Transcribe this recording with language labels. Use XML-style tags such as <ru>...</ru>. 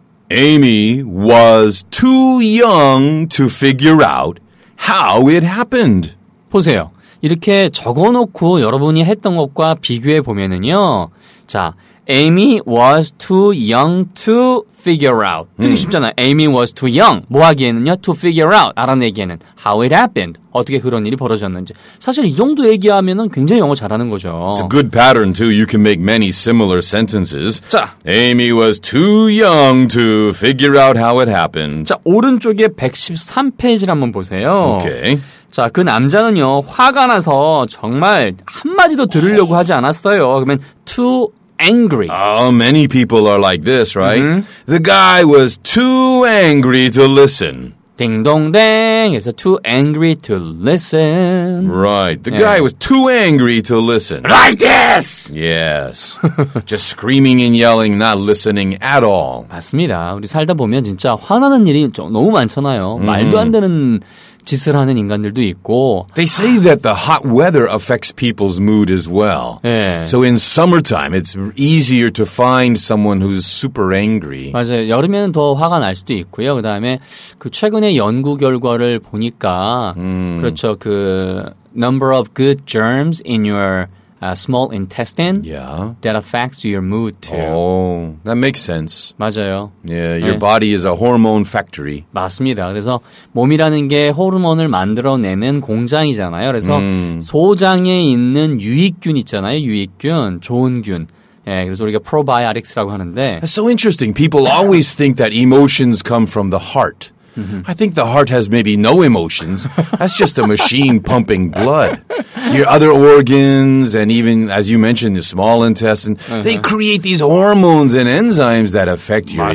<en>Amy was too young to figure out how it happened.</en> <ko>보세요. 이렇게 적어놓고 여러분이 했던 것과 비교해 보면은요.</ko> <en>자, Amy was too young to figure out.</en> <ko>되게 쉽잖아.</ko> <en>Amy was too young.</en> <ko>뭐 하기에는요?</ko> <en>To figure out.</en> <ko>알아내기에는.</ko> <en>How it happened.</en> <ko>어떻게 그런 일이 벌어졌는지. 사실 이 정도 얘기하면은 굉장히 영어 잘하는 거죠.</ko> <en>It's a good pattern too. You can make many similar sentences.</en> <ko>자,</ko> <en>Amy was too young to figure out how it happened.</en> <ko>자, 오른쪽에 113페이지를 한번 보세요. 오케이. 자, 그 남자는요, 화가 나서 정말 한마디도 들으려고 하지 않았어요. 그러면</ko> <en>too angry. Many people are like this, right? The guy was too angry to listen.</en> <ko>딩동댕 해서</ko> <en>too angry to listen. Right. The guy was too angry to listen. Like this! Yes. Just screaming and yelling, not listening at all.</en> <ko>맞습니다. 우리 살다 보면 진짜 화나는 일이 너무 많잖아요. 말도 안 되는 짓을 하는 인간들도 있고.</ko> <en>They say that the hot weather affects people's mood as well.</en> <ko>예.</ko> <en>So in summertime, it's easier to find someone who's super angry.</en> <ko>맞아요. 여름에는 더 화가 날 수도 있고요. 그다음에 그 최근에 연구 결과를 보니까 그렇죠.</ko> <en>그 number of good germs in your small intestine that affects your mood too. Oh, that makes sense.</en> <ko>맞아요.</ko> <en>Yeah, your body is a hormone factory.</en> <ko>맞습니다. 그래서 몸이라는 게 호르몬을 만들어내는 공장이잖아요. 그래서 소장에 있는 유익균 있잖아요. 유익균, 좋은 균. 예, 그래서 우리가 probiotics라고 하는데.</ko> <en>That's so interesting. People always think that emotions come from the heart. I think the heart has maybe no emotions. That's just a machine pumping blood. Your other organs and even, as you mentioned, the small intestine, they create these hormones and enzymes that affect your</en>